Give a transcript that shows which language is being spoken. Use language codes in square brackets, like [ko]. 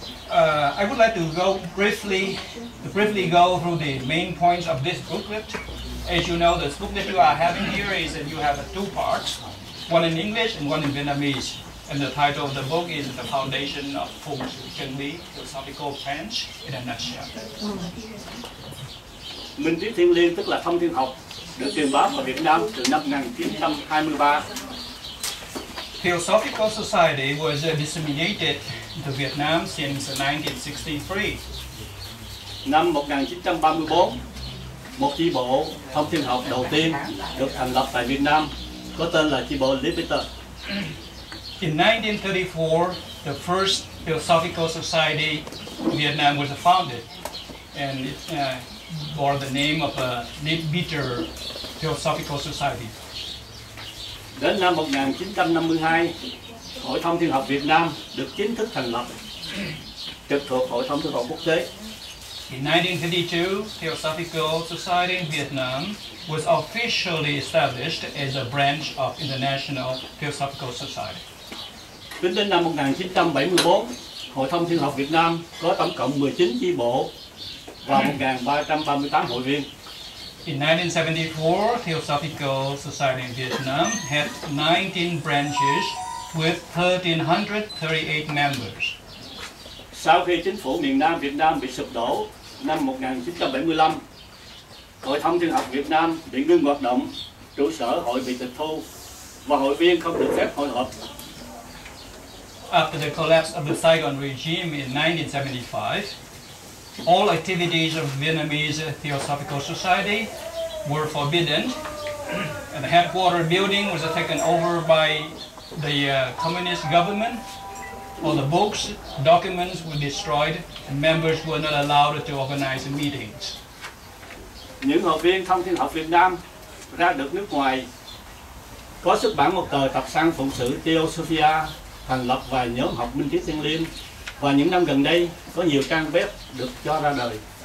[en] I would like to briefly go through the main points of this booklet. As you know, the booklet you are having here is that you have two parts, one in English and one in Vietnamese. And the title of the book is The Foundation of Phụng Sự Chân Lý, Theosophical Branch in a Nutshell. [vi] Minh Triết Thiên Liên, tức là Thông Thiên Học, được truyền bá vào Việt Nam từ năm 1923. [en] Theosophical Society was disseminated to Vietnam since 1963. [vi] Năm 1934, một chi bộ Thông Thiên Học đầu tiên được thành lập tại Việt Nam, có tên là chi bộ Liberator. [en] In 1934, the first Theosophical Society in Vietnam was founded, and it bore the name of a Liberator Theosophical Society. [vi] Đến năm 1952, Hội Thông Thiên Học Việt Nam được chính thức thành lập, trực thuộc Hội Thông Thiên Học Quốc tế. [en] In 1952, Theosophical Society in Vietnam was officially established as a branch of International Theosophical Society. [vi] Tính đến năm 1974, Hội Thông Thiên học Việt Nam có tổng cộng 19 chi bộ và 1338 hội viên. [en] In 1974, Theosophical Society in Vietnam had 19 branches with 1338 members. [vi] Sau khi chính phủ miền Nam Việt Nam bị sụp đổ năm 1975, Hội Thông Thiên học Việt Nam bị ngưng hoạt động, trụ sở hội bị tịch thu và hội viên không được phép hội họp. [en] After the collapse of the Saigon regime in 1975, all activities of Vietnamese Theosophical Society were forbidden, and the headquarters building was taken over by the communist government. All the books, documents were destroyed, and members were not allowed to organize meetings. [vi] Những học viên Thông Thiên học Việt Nam ra được nước ngoài có xuất bản một tờ tập san phụng sự Theosophia, thành lập vài nhóm học minh triết thiêng liêng. Và những năm gần đây, có nhiều trang web được cho ra đời.